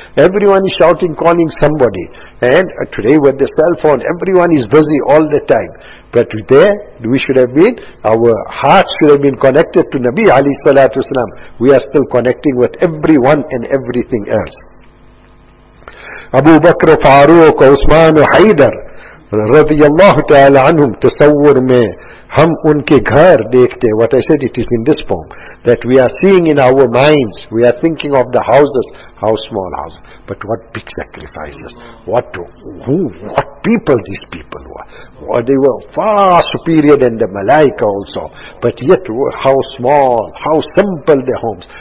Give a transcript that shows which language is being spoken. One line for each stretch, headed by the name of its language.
English: Everyone is shouting, calling somebody. And today with the cell phone, everyone is busy all the time. But there, we should have been, our hearts should have been connected to Nabi Ali Salatu Wasalam. We are still connecting with everyone and everything else.
Urdu: Abu Bakr, Farooq, Uthman, Haydar,
Arabic: رضي الله تعالى عنهم
Urdu: تصور میں hum unke ghar dekhte.
English: What I said, it is in this form, that we are seeing in our minds, we are thinking of the houses, how small houses, but what big sacrifices, what people these people were. Well, they were far superior than the malaika also, but yet how small, how simple their homes.